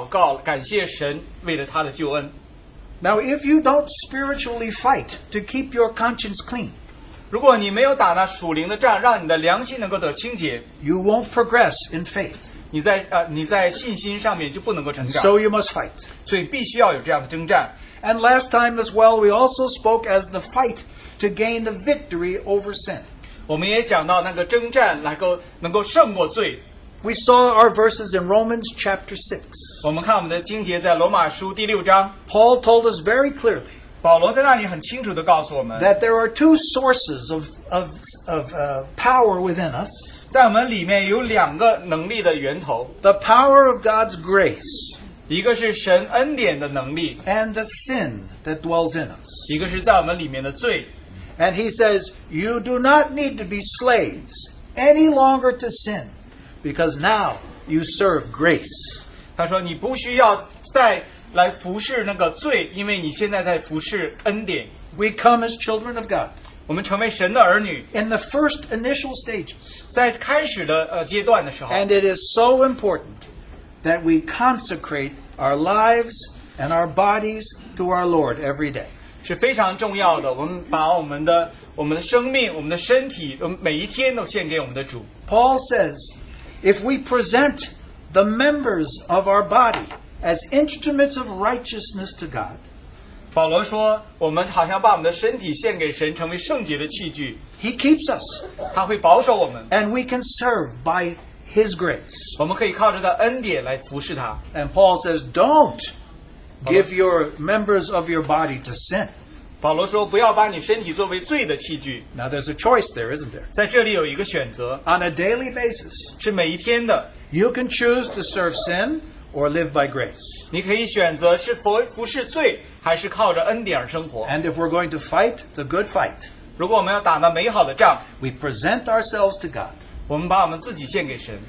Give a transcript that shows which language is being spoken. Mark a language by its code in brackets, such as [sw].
[zh] 我们都有一个权利能够来这里祷告，感谢神为了他的救恩。 [en] Now if you don't spiritually fight to keep your conscience clean, [zh] 如果你没有打那属灵的仗，让你的良心能够得清洁, [en] you won't progress in faith. [zh] 你在信心上面就不能够成长。 [en] So you must fight. [zh] 所以必须要有这样的征战。 [en] And last time as well, we also spoke as the fight to gain the victory over sin. [zh] 我们也讲到那个征战能够胜过罪。 [en] We saw our verses in Romans chapter 6. [zh] 我们看我们的经节在罗马书第六章。 [en] Paul told us very clearly, [zh] 保罗在那里很清楚地告诉我们, [en] that there are two sources of power within us. [zh] 在我们里面有两个能力的源头。 [en] The power of God's grace [zh] 一个是神恩典的能力, [en] and the sin that dwells in us. [zh] 一个是在我们里面的罪, [en] and he says, you do not need to be slaves any longer to sin, because now you serve grace. [zh] 他说你不需要再来服侍那个罪, 因为你现在在服侍恩典。 [en] We come as children of God. [zh] 我们成为神的儿女, [en] in the first initial stages. [zh] 在开始的阶段的时候, [en] and it is so important that we consecrate our lives and our bodies to our Lord every day. [zh] 是非常重要的, 我们把我们的生命, 我们的身体, 每一天都献给我们的主。 [en] Paul says, if we present the members of our body as instruments of righteousness to God, [zh] 保罗说, 我们好像把我们的身体献给神, 成为圣洁的器具, [en] he keeps us, [zh] 他会保守我们, [en] and we can serve by his grace. [zh] 我们可以靠着他恩典来服侍他。 [en] And Paul says, don't give your members of your body to sin. [zh] 保罗说不要把你身体作为罪的器具。 [en] Now there's a choice there, isn't there? [zh] 在这里有一个选择。 [en] On a daily basis, [zh] 是每一天的。 [en] You can choose to serve sin or live by grace. [zh] 你可以选择是服侍罪还是靠着恩典而生活。 [en] And if we're going to fight the good fight, [zh] 如果我们要打那美好的仗, [en] we present ourselves to God. [zh] 我们把我们自己献给神。